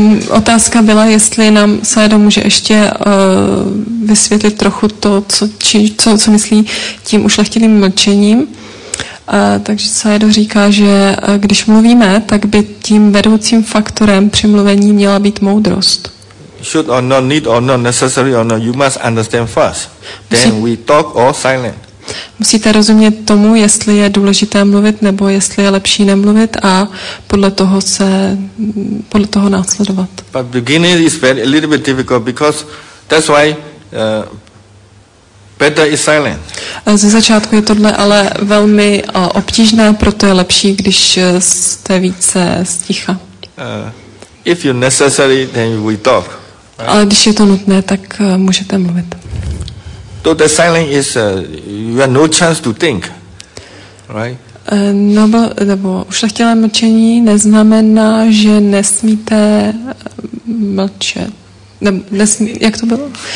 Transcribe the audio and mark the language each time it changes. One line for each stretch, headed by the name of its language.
Czech: Otázka byla, jestli nám Sayadaw může ještě vysvětlit trochu to, co myslí tím ušlechtilým mlčením. Takže Sayadaw říká, že když mluvíme, tak by tím vedoucím faktorem při mluvení měla být moudrost.
English: Should or not need or not necessary or not, you must understand first. Then we talk or silent.
Czech: Musíte rozumět tomu, jestli je důležité mluvit, nebo jestli je lepší nemluvit a podle toho následovat.
English: But beginning is very, a little bit difficult because that's why better is silent.
Czech: Ze začátku je tohle ale velmi obtížné, proto je lepší, když jste více sticha.
English: If you're necessary, then we talk.
Czech: Ale když je to nutné, tak můžete mluvit.
English: So the silence is you have no chance to think, right?
Czech: Nebo ušlechtilé mlčení neznamená, že nesmíte mlčet. Jak to bylo?